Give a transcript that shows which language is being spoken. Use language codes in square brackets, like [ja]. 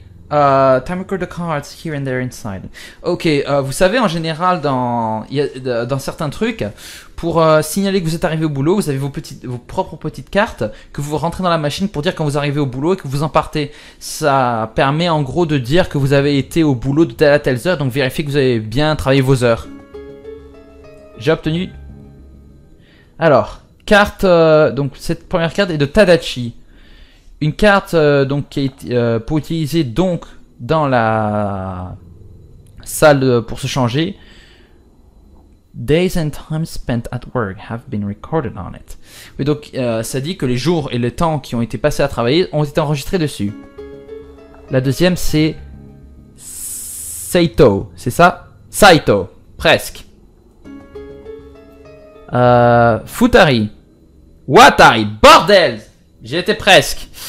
[en] Time recorder cards here and there inside. Ok. [fr] Vous savez, en général, dans certains trucs, pour signaler que vous êtes arrivé au boulot, vous avez vos propres petites cartes que vous rentrez dans la machine pour dire quand vous arrivez au boulot et que vous en partez. Ça permet en gros de dire que vous avez été au boulot de telle à telle heure, donc vérifiez que vous avez bien travaillé vos heures. J'ai obtenu... Alors, carte... donc cette première carte est de Tadachi. Une carte donc qui est pour utiliser donc dans la salle pour se changer. [en] Days and time spent at work have been recorded on it. [fr] Oui, donc ça dit que les jours et le temps qui ont été passés à travailler ont été enregistrés dessus. La deuxième, c'est Saito, c'est ça? Saito, presque. Futari. Watari, bordel! J'y étais presque.